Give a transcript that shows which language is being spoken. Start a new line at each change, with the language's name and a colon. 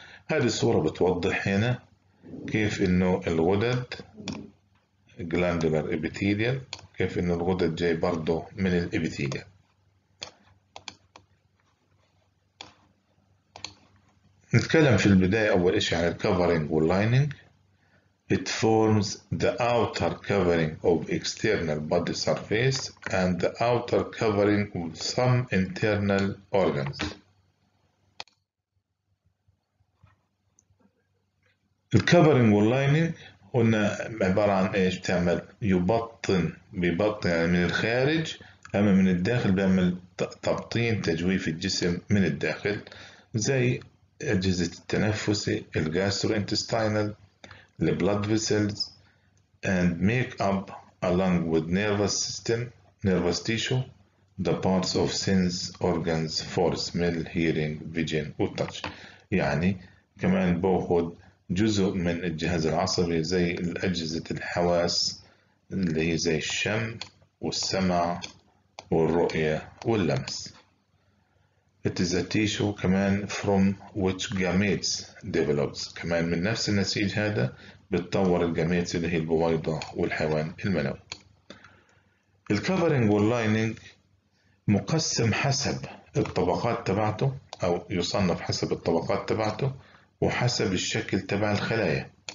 Arabic: هذه الصوره بتوضح هنا كيف انه الغدد جلاندولار ابيثيليال كيف إن الغدد جاي برضو من الإبيثيليا. نتكلم في البداية أول إشي عن الكفرينج واللايننج.
English: It forms the outer covering of external body surface and the outer covering of some internal organs.
Arabic: الكفرينج واللايننج قلنا عبارة عن إيش بتعمل؟ يبطن بيبطن يعني من الخارج، أما من الداخل بيعمل تبطين تجويف الجسم من الداخل زي الأجهزة التنفسي الجاسترو انتستاينال البلد فيسلز and make up along with nervous system nervous tissue the parts of sense organs for smell hearing vision و touch. يعني كمان بأخذ جزء من الجهاز العصبي زي أجهزة الحواس اللي هي زي الشم والسمع والرؤية واللمس.
English: It is a tissue كمان from which gametes develops.
Arabic: كمان من نفس النسيج هذا بتطور الجاميتس اللي هي البويضة والحيوان المنوي. الكفرينج واللايننج مقسم حسب الطبقات تبعته أو يصنف حسب الطبقات تبعته وحسب الشكل تبع الخلايا.